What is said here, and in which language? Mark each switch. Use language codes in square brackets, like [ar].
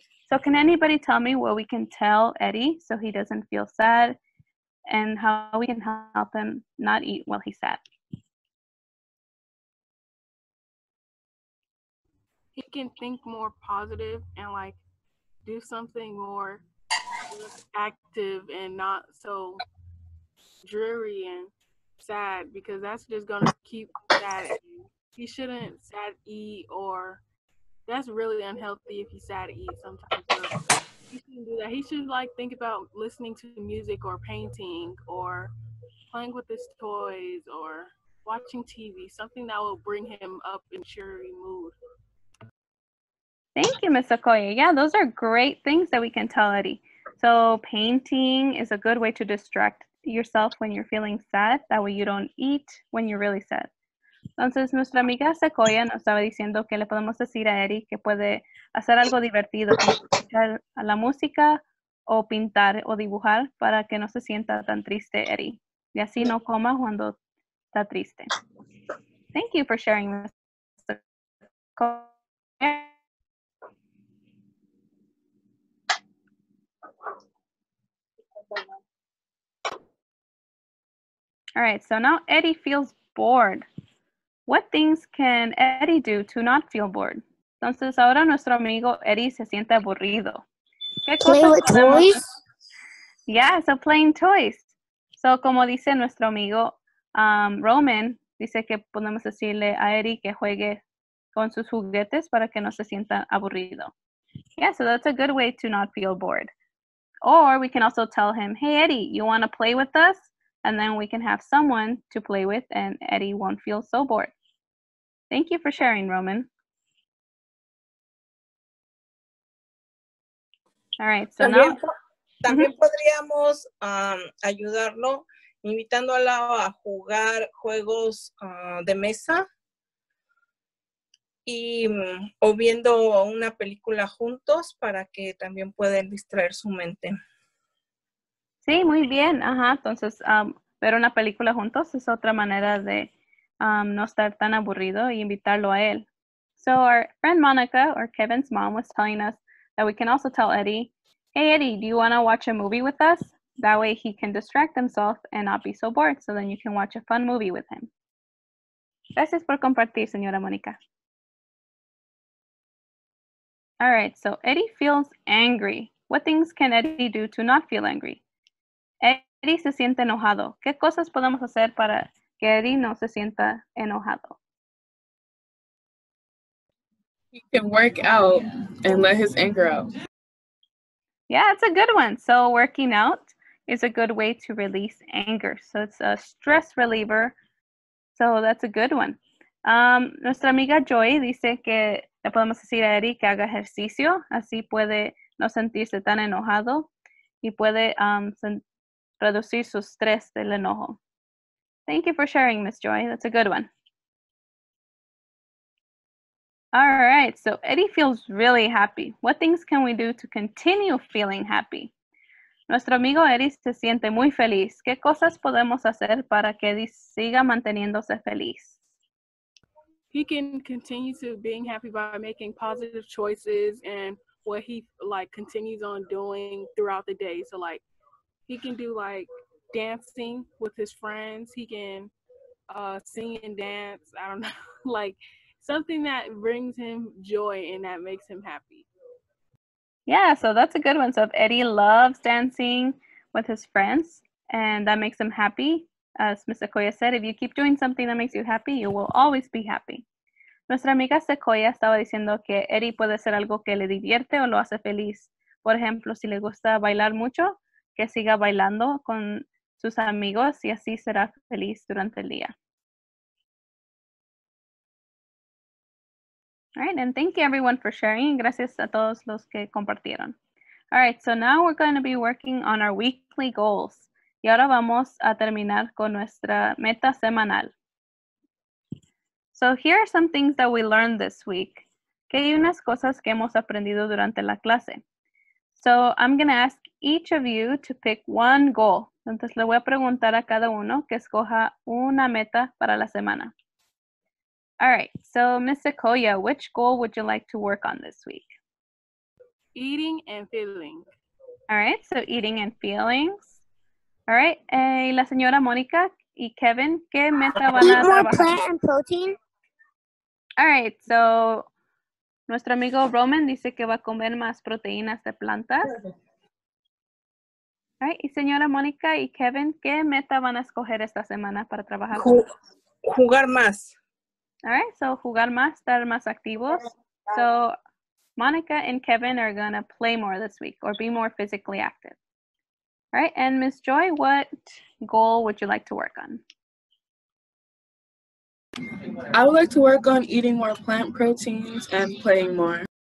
[en] So can anybody tell me what we can tell Eddie so he doesn't feel sad and how we can help him not eat while he's sad? He can think more positive and like do something more active and not so dreary and sad, because that's just going to keep sad. He shouldn't sad eat, or that's really unhealthy if he's sad to eat sometimes. So he shouldn't do that. He should like think about listening to music or painting or playing with his toys or watching TV, something that will bring him up in cheery mood. Thank you, Ms. Okoye. Yeah, those are great things that we can tell Eddie. So painting is a good way to distract yourself when you're feeling sad. That way you don't eat when you're really sad. [es] Entonces, nuestra amiga Sequoia nos estaba diciendo que le podemos decir a Eric que puede hacer algo divertido, escuchar a la música, o pintar, o dibujar, para que no se sienta tan triste, Eric. Y así no coma cuando está triste. [en] Thank you for sharing, Ms. Sequoia. All right, so now Eddie feels bored. What things can Eddie do to not feel bored? [es] Entonces, ahora nuestro amigo Eddie se siente aburrido. ¿Qué cosas [en] play with [es] podemos... [en] toys? Yeah, so playing toys. [es] So, como dice nuestro amigo Roman, dice que podemos decirle a Eddie que juegue con sus juguetes para que no se sienta aburrido. [en] Yeah, so that's a good way to not feel bored. Or we can also tell him, hey, Eddie, you want to play with us? And then we can have someone to play with and Eddie won't feel so bored. Thank you for sharing, Roman. All right, so [es] también [en] now... [es] También podríamos ayudarlo invitándolo a jugar juegos de mesa y o viendo una película juntos para que también puedan distraer su mente. Sí, muy bien. Ajá, entonces... ver una película juntos es otra manera de no estar tan aburrido y invitarlo a él. [en] So our friend Monica, or Kevin's mom, was telling us that we can also tell Eddie, hey Eddie, do you want to watch a movie with us? That way he can distract himself and not be so bored, so then you can watch a fun movie with him. [es] Gracias por compartir, señora Monica. [en] All right, so Eddie feels angry. What things can Eddie do to not feel angry? [es] Eddie se siente enojado. ¿Qué cosas podemos hacer para que Eddie no se sienta enojado? [en] He can work out and let his anger out. Yeah, it's a good one. So working out is a good way to release anger. So it's a stress reliever. So that's a good one. [es] Nuestra amiga Joy dice que le podemos decir a Eddie que haga ejercicio. Así puede no sentirse tan enojado y puede sentir reducir su estrés del enojo. [en] Thank you for sharing, Miss Joy. That's a good one. All right, so Eddie feels really happy. What things can we do to continue feeling happy? [es] Nuestro amigo Eddie se siente muy feliz. ¿Qué cosas podemos hacer para que Eddie siga manteniéndose feliz? [en] He can continue to being happy by making positive choices and what he like continues on doing throughout the day. So like, he can do like dancing with his friends. He can sing and dance. I don't know, like something that brings him joy and that makes him happy. Yeah, so that's a good one. So if Eddie loves dancing with his friends and that makes him happy, as Ms. Sequoia said, if you keep doing something that makes you happy, you will always be happy. [es] Nuestra amiga Sequoia estaba diciendo que Eddie puede hacer algo que le divierte o lo hace feliz. Por ejemplo, si le gusta bailar mucho, que siga bailando con sus amigos y así será feliz durante el día. [en] All right, and thank you everyone for sharing. [es] Gracias a todos los que compartieron. [en] All right, so now we're going to be working on our weekly goals. [es] Y ahora vamos a terminar con nuestra meta semanal. [en] So here are some things that we learned this week. [es] ¿Qué hay unas cosas que hemos aprendido durante la clase? [en] So I'm going to ask each of you to pick one goal. [es] Entonces le voy a preguntar a cada uno que escoja una meta para la semana. [en] All right, so Ms. Sequoia, which goal would you like to work on this week? Eating and feeling. All right, so eating and feelings. All right, [es] y la señora Mónica y Kevin, ¿qué meta van a trabajar? [en] Eat more plant and protein. All right, so [es] nuestro amigo Roman dice que va a comer más proteínas de plantas. [en] All right, [es] y señora Mónica y Kevin, ¿qué meta van a escoger esta semana para trabajar? Jugar más. [en] All right, so [es] jugar más, estar más activos. [en] So Mónica and Kevin are going to play more this week or be more physically active. All right, and Ms. Joy, what goal would you like to work on? I would like to work on eating more plant proteins and playing more.